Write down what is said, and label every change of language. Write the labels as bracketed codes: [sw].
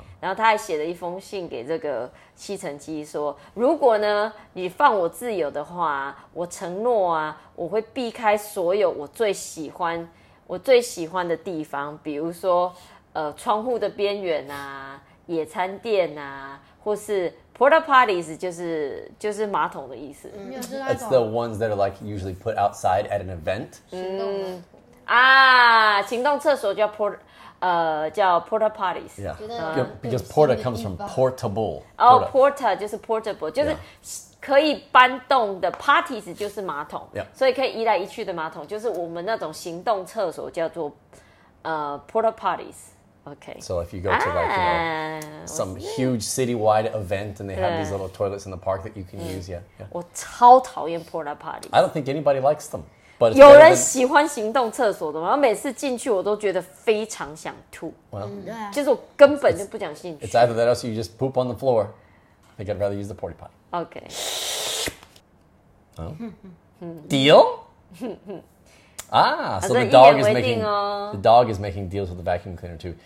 [zh] 然后他还写了一封信给这个吸尘机说，如果呢你放我自由的话，我承诺啊，我会避开所有我最喜欢的地方，比如说窗户的边缘啊，野餐垫啊，或是 porta potties， 就是马桶的意思。 [en] It's the ones that are like usually put outside at an event. [zh] 啊，行动厕所叫 porta potties。 [en] Yeah, because porta comes from portable. [zh] Oh, porta 就是 portable， 就是可以搬动的 potties 就是马桶， [en] yeah. [zh] 所以可以移来移去的马桶，就是我们那种行动厕所叫做porta potties。Okay. [en] So if you go to like some huge citywide event and they have these little toilets in the park that you can use, yeah. [zh] 我超讨厌 porta potties. [en] I don't think anybody likes them. [zh] 有人喜欢行动厕所的吗？每次进去我都觉得非常想吐。 [en] Well, [zh] 就是我根本就不想进去。 [en] It's either that or you just poop on the floor. I think I'd rather use the porta potty. Okay. Oh. Deal? Ah, so the dog is making deals with the vacuum cleaner too.